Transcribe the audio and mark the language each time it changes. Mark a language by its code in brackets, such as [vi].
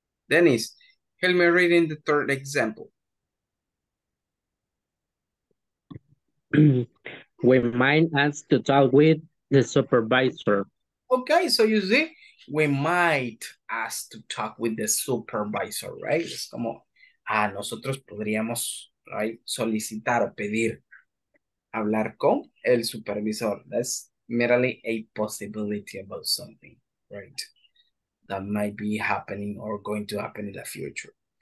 [en] Dennis, help me read in the third example. We might ask to talk with the supervisor. Okay, so you see, we might ask to talk with the supervisor, right? [es] Es como, nosotros podríamos, right, solicitar o pedir hablar con el supervisor. [en] That's merely a possibility about something, right? That might be happening or going to happen in the future.